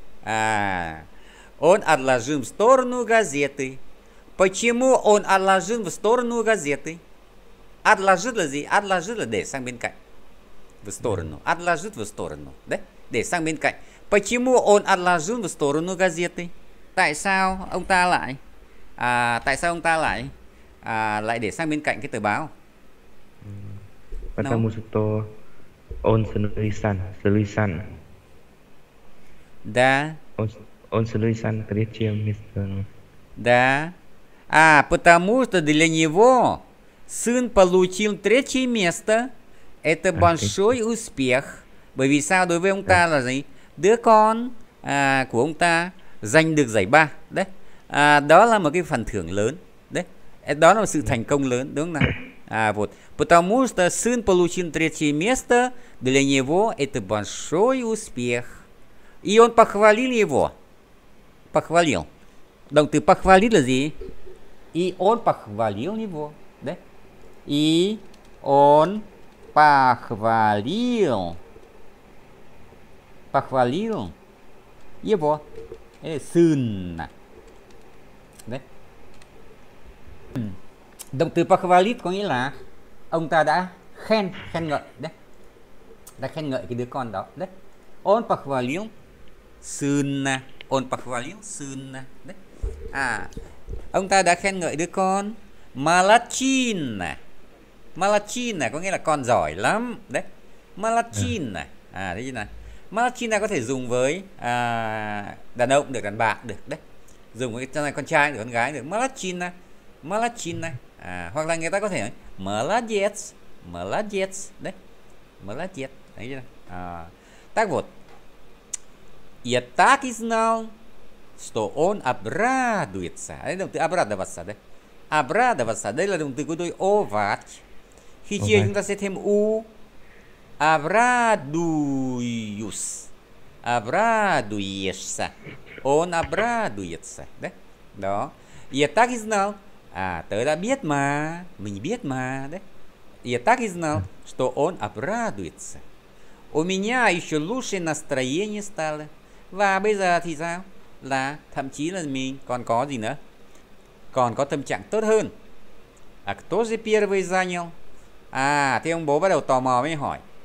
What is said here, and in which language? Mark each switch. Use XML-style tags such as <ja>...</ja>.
<ru>А, он отложил в сторону газеты. Почему он отложил в сторону газеты? Отложил, отложил, да, сам бенкай. в сторону. Отложит в сторону. Да?</ru> <vi>Để sang bên cạnh.</vi> <ru>Почему он отложил в сторону газеты?</ru> <vi>Tại sao ông ta lại lại để sang bên cạnh cái tờ báo?</vi> <ru>Потому что он слишком, слишком. Да. Он слишком горячий, мистер. Да. А, потому что для него сын получил третье место. Это большой успех.</ru> <vi>Bởi vì sao đối với ông ta là gì? Đứa con của ông ta giành được giải ba. Đấy. À, đó là một cái phần thưởng lớn. Đấy. Đó là một sự thành công lớn. Đúng không nào?</vi> <ru>Вот. Потому что сын получил третье место. Для него это большой успех. И он похвалил его. Похвалил.</ru> <vi>Động từ</vi> <ru>похвалил</ru> <vi>là gì?</vi> <ru>И он похвалил его. Đấy. И он похвалил. Похвалил его. Сын. Đấy.</ru> <vi>Động từ</vi> <ru>похвалить</ru> <vi>có nghĩa là ông ta đã khen, khen ngợi. Đấy. Đã khen ngợi cái đứa con đó.</vi> <ru>Đấy. Он похвалил сына. Он похвалил сына. Đấy.</ru> <vi>À, ông ta đã khen ngợi đứa con.</vi> <ru>Молодчина. Молодчина</ru> <vi>có nghĩa là con giỏi lắm. Đấy.</vi> <ru>Молодчина.</ru> <vi>À, thấy chưa nào? Молодчина có thể dùng với đàn ông được, đàn bà được, đấy. Dùng với cho này con trai được, con gái được.</vi> <ru>Молодчина. Молодчина.</ru> <vi>À, hoặc là người ta có thể nói</vi> <ru>молодец. Молодец, đấy. Молодец,</ru> <vi>thấy chưa nào?</vi> <ru>Так вот. Я так и знал, что он обрадуется.</ru> <vi>Đấy, động từ</vi> <ru>обрадоваться,</ru> <vi>đấy. Обрадоваться, đây là động từ của tôi овать. Khi chia okay. Chúng ta sẽ thêm u. Abraduius. Abraduiesa.</vi> <ru>Он обрадуется.</ru> <vi>Đấy. Đó.</vi> <ru>Я так и знал.</ru> <vi>À, tớ đã biết mà. Mình biết mà. Đấy.</vi> <ru>Я так и знал, что он обрадуется. У меня еще лучше настроение стало.</ru> <vi>Và bây giờ thì sao? Là thậm chí là mình còn có gì nữa? Còn có tâm trạng tốt hơn.</vi> <ru>А кто же первый занял?</ru> <vi>À, thì ông bố bắt đầu tò mò mới hỏi.</vi>